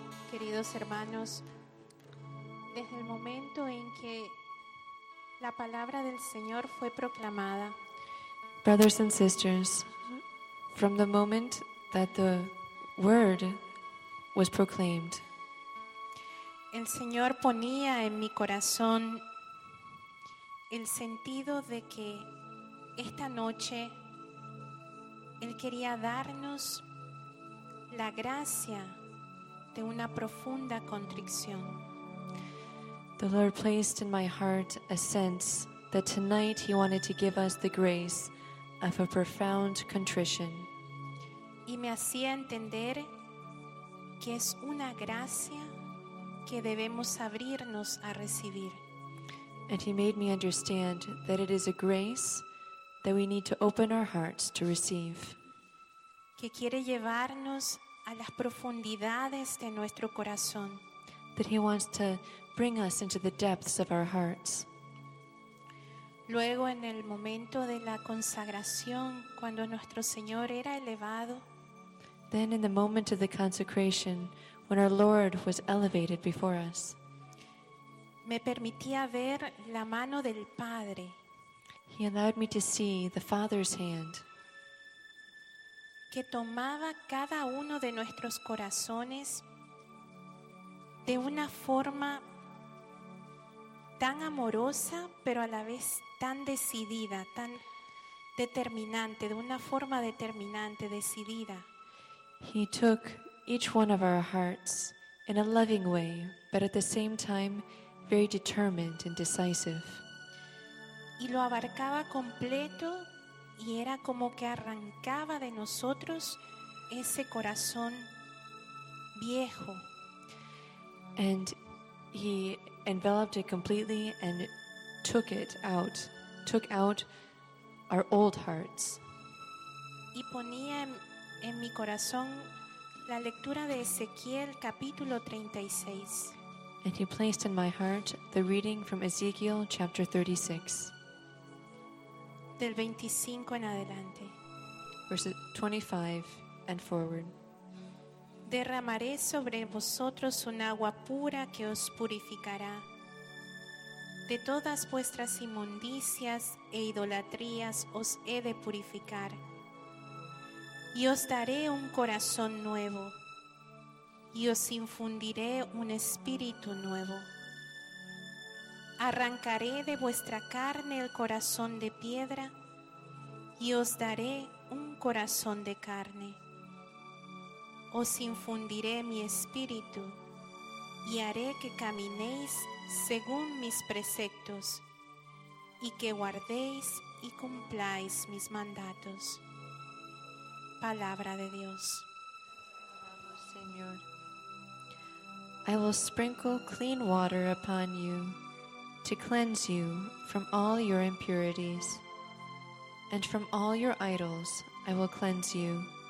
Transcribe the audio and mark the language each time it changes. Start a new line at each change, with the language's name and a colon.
Spanish: Queridos hermanos, desde el momento en que la palabra del Señor fue proclamada,
English: brothers and sisters, from the moment that the word was proclaimed,
Spanish: el Señor ponía en mi corazón el sentido de que esta noche Él quería darnos la gracia de una profunda contrición.
English: The Lord placed in my heart a sense that tonight He wanted to give us the grace of a profound contrition.
Spanish: Y me hacía entender que es una gracia que debemos abrirnos a recibir.
English: And He made me understand that it is a grace that we need to open our hearts to receive.
Spanish: Que quiere llevarnos a las profundidades de nuestro corazón.
English: That He wants to bring us into the depths of our hearts.
Spanish: Luego, en el momento de la consagración, cuando nuestro Señor era elevado,
English: then in the moment of the consecration, when our Lord was elevated before us,
Spanish: me permitía ver la mano del Padre.
English: He allowed me to see the Father's hand,
Spanish: que tomaba cada uno de nuestros corazones de una forma tan amorosa, pero a la vez tan decidida, tan determinante, de una forma determinante, decidida.
English: He took each one of our hearts in a loving way, but at the same time very determined and decisive.
Spanish: Y lo abarcaba completo y era como que arrancaba de nosotros ese corazón viejo.
English: And he enveloped it completely and took out our old hearts.
Spanish: Y ponía en mi corazón la lectura de Ezequiel capítulo 36.
English: And he placed in my heart the reading from Ezekiel chapter 36.
Spanish: Del 25 en adelante.
English: Verses 25 and forward.
Spanish: Derramaré sobre vosotros un agua pura que os purificará de todas vuestras inmundicias e idolatrías. Os he de purificar y os daré un corazón nuevo y os infundiré un espíritu nuevo. Arrancaré de vuestra carne el corazón de piedra y os daré un corazón de carne. Os infundiré mi espíritu y haré que caminéis según mis preceptos y que guardéis y cumpláis mis mandatos. Palabra de Dios.
English: Señor, I will sprinkle clean water upon you to cleanse you from all your impurities, and from all your idols I will cleanse you.